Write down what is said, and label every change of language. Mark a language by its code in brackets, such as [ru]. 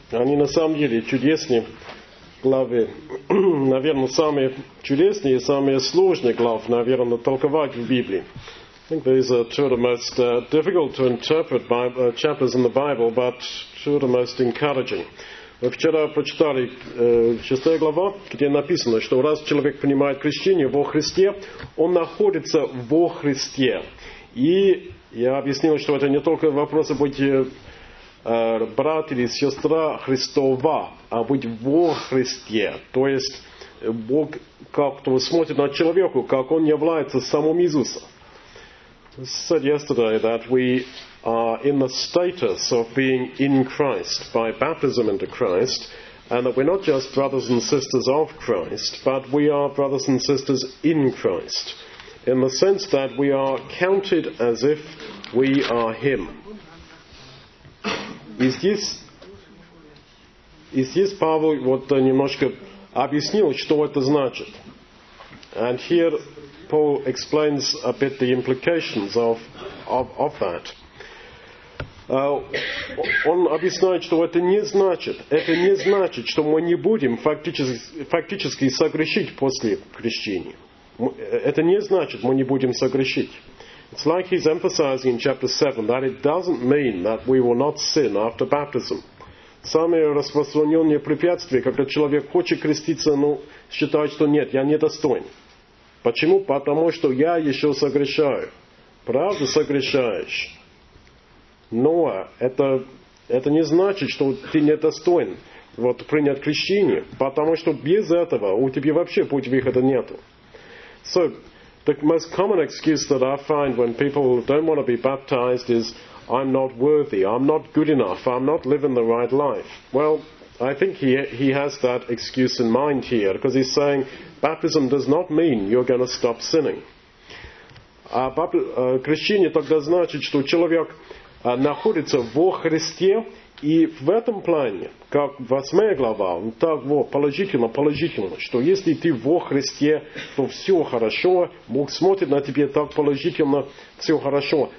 [ru] Они на самом деле чудесные главы. Наверное, самые чудесные и самые сложные главы, наверное, толковать в Библии. [en] I think these are two of the most difficult to interpret chapters in the Bible, but two of the most encouraging. [ru] Мы вчера прочитали 6-я глава, где написано, что раз человек понимает крещение во Христе, он находится во Христе. И я объяснил, что это не только вопрос быть брат или сестра Христова, а быть во Христе. То есть Бог как-то смотрит на человека, как он является самим Иисусом. [en] I said yesterday that we are in the status of being in Christ by baptism into Christ, and that we're not just brothers and sisters of Christ, but we are brothers and sisters in Christ, in the sense that we are counted as if we are Him. [ru] И здесь Павел вот немножко объяснил, что это значит. [en] And here Paul explains a bit the implications of that. [ru] Он объясняет, что это не значит. Это не значит, что мы не будем фактически согрешить после крещения. Это не значит, мы не будем согрешить. [en] It's like he's emphasizing in chapter 7 that it doesn't mean that we will not sin after baptism. [ru] Самое распространенное препятствие, когда человек хочет креститься, но считает, что нет, я недостоин. Почему? Потому что я еще согрешаю. Правда, согрешаешь. Но это не значит, что ты недостоин вот, принять крещение, потому что без этого у тебя вообще пути выхода нет. [en] So, the most common excuse that I find when people don't want to be baptized is I'm not worthy, I'm not good enough, I'm not living the right life. Well, I think he has that excuse in mind here, because he's saying baptism does not mean you're going to stop sinning. [ru] Крещение тогда значит, что человек находится во Христе, и в этом плане, как 8 глава, так вот, положительно, что если ты во Христе, то все хорошо, Бог смотрит на тебя так положительно, все хорошо.